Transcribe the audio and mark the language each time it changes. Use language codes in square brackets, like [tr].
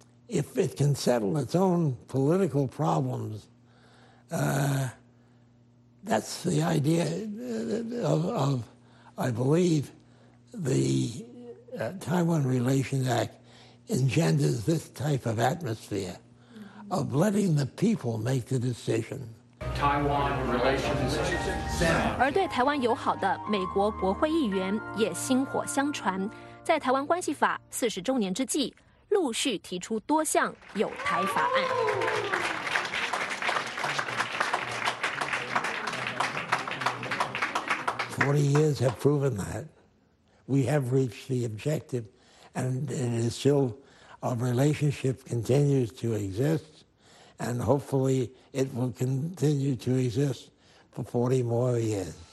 [en] If it can settle its own political problems, that's the idea of I believe, the Taiwan Relations Act engenders this type of atmosphere of letting the people make the decision. [zh] 而对台湾友好的美国国会议员也薪火相传，在台湾关系法四十周年之际。陆续提出多项有台法案。 [en] 40 years have proven that we have reached the objective, and it is still our relationship continues to exist, and hopefully it will continue to exist for 40 more years.